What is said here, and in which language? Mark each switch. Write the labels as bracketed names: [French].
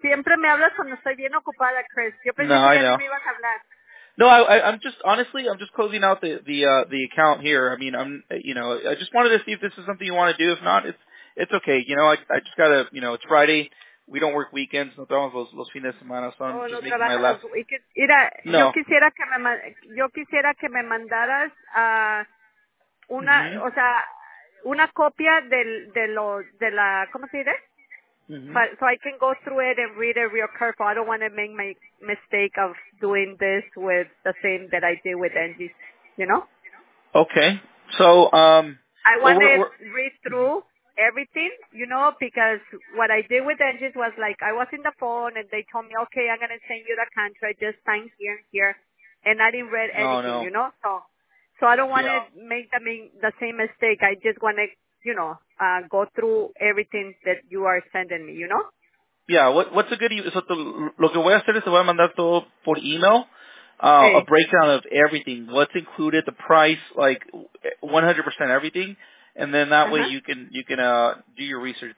[Spanish] Siempre me hablas cuando estoy bien ocupada, Chris. Yo pensé que no me ibas a hablar. [English] No, I'm just honestly, I'm just closing out the account here. I mean, I just wanted to see if this is something you want to do. If not, it's okay. You know, I just gotta, you know, it's Friday. We don't work weekends. [Spanish] No trabajamos los fines de semana. [English] So I'm just making my last. [Spanish] Mira, no. yo quisiera que me mandaras una, mm-hmm. o sea, una copia de la, ¿cómo se dice? Mm-hmm. [English] So I can go through it and read it real careful. I don't want to make my mistake of doing this with the same that I did with Angie's, you know? Okay. So, I want to read through everything, you know, because what I did with Angie's was like, I was in the phone and they told me, okay, I'm going to send you the contract, just sign here and here. And I didn't read anything, you know? So I don't want to make the same mistake. I just want to, you know, go through everything that you are sending me, you know? Yeah, what's a good email? [Spanish] So lo que voy a hacer es voy a mandar todo por email, [English] a breakdown of everything. What's included, the price, like 100% everything. And then that way you can do your research.